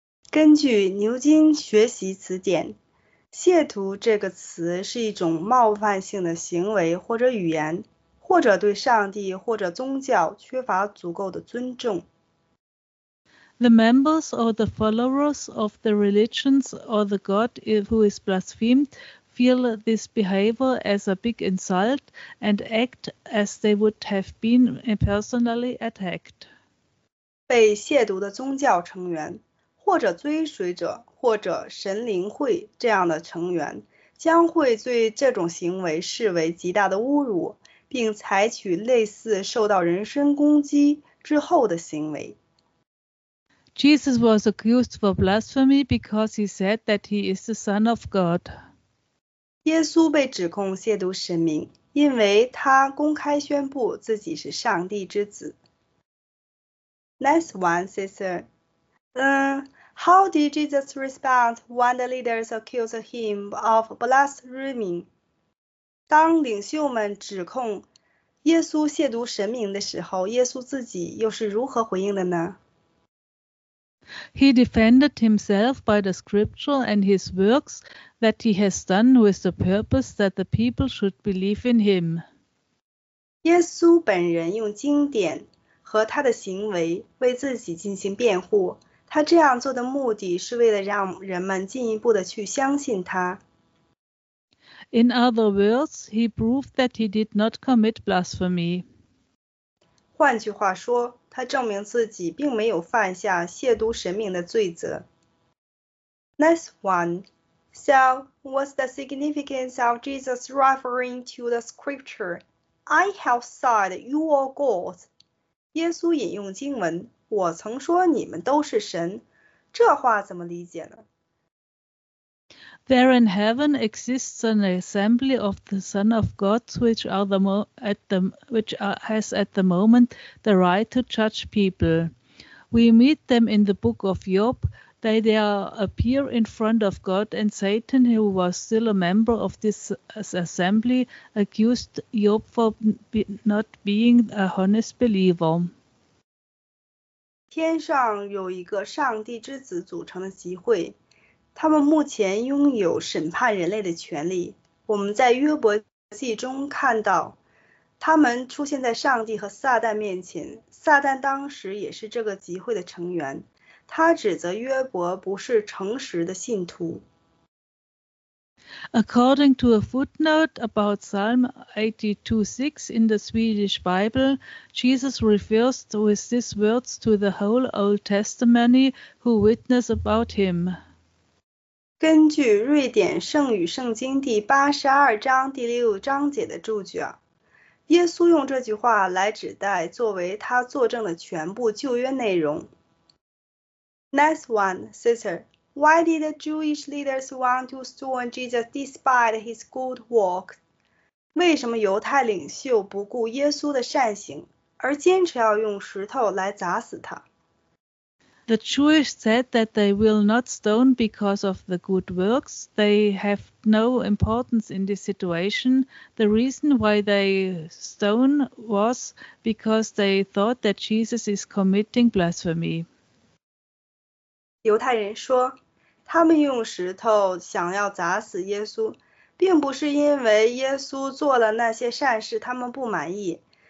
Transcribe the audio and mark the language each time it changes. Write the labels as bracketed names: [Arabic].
[Chinese] 根据牛津学习词典，亵渎这个词是一种冒犯性的行为或者语言。或者对上帝或者宗教缺乏足够的尊重。 [English] The members or the followers of the religions or the God who is blasphemed feel this behavior as a big insult and act as they would have been personally attacked. [Chinese] 被亵渎的宗教成员，或者追随者，或者神灵会这样的成员，将会对这种行为视为极大的侮辱。并采取类似受到人身攻击之后的行为。 [English] Jesus was accused for blasphemy because he said that he is the Son of God. [Chinese] 耶稣被指控亵渎神明，因为他公开宣布自己是上帝之子。 [English] Next one, sister. How did Jesus respond when the leaders accused him of blaspheming? [Chinese] 当领袖们指控耶稣亵渎神明的时候，耶稣自己又是如何回应的呢？ [English] He defended himself by the scripture and his works that he has done with the purpose that the people should believe in him. [Chinese] 耶稣本人用经典和他的行为为自己进行辩护，他这样做的目的是为了让人们进一步的去相信他。 [English] In other words, he proved that he did not commit blasphemy. [Chinese] 换句话说，他证明自己并没有犯下亵渎神明的罪责。 [English] Next one. So, what's the significance of Jesus referring to the scripture? I have said you are gods. [Chinese] 耶稣引用经文，我曾说你们都是神。这话怎么理解呢？ [English] There in heaven exists an assembly of the Son of God, which has at the moment the right to judge people. We meet them in the book of Job. They appear in front of God, and Satan, who was still a member of this assembly, accused Job for not being a honest believer. [Chinese] 天上有一个上帝之子组成的集会。他们目前拥有审判人类的权利。我们在约伯记中看到，他们出现在上帝和撒旦面前。撒旦当时也是这个集会的成员。他指责约伯不是诚实的信徒。 [English] According to a footnote about Psalm 82:6 in the Swedish Bible, Jesus refers with these words to the whole Old Testament who witness about him. [Chinese] 根据瑞典圣语圣经第八十二章第六章节的注解，耶稣用这句话来指代作为他作证的全部旧约内容。 [English] Next one, sister. Why did the Jewish leaders want to stone Jesus despite his good works? [Chinese] 为什么犹太领袖不顾耶稣的善行，而坚持要用石头来砸死他？ [English] The Jewish said that they will not stone because of the good works. They have no importance in this situation. The reason why they stone was because they thought that Jesus is committing blasphemy. [Chinese] 犹太人说, 他们用石头想要砸死耶稣, 并不是因为耶稣做了那些善事他们不满意。